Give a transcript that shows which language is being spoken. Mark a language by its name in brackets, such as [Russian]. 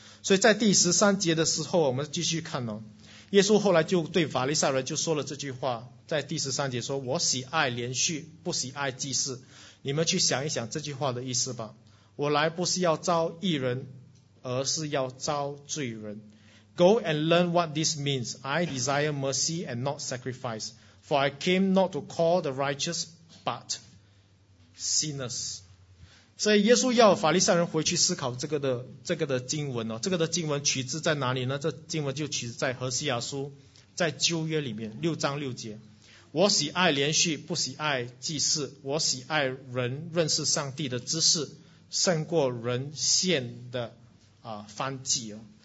[Chinese] 所以在第十三节的时候，我们继续看哦，耶稣后来就对法利赛人就说了这句话，在第十三节说：“我喜爱连续，不喜爱祭祀。” 你们去想一想这句话的意思吧。我来不是要招义人，而是要招罪人。 [English] Go and learn what this means. I desire mercy and not sacrifice. For I came not to call the righteous, but sinners. [Chinese] 所以耶稣要法利赛人回去思考这个的经文哦。这个的经文取自在哪里呢？这经文就取自在何西亚书，在旧约里面六章六节。我喜爱连续，不喜爱祭祀。我喜爱人认识上帝的知识，胜过人献的燔祭哦。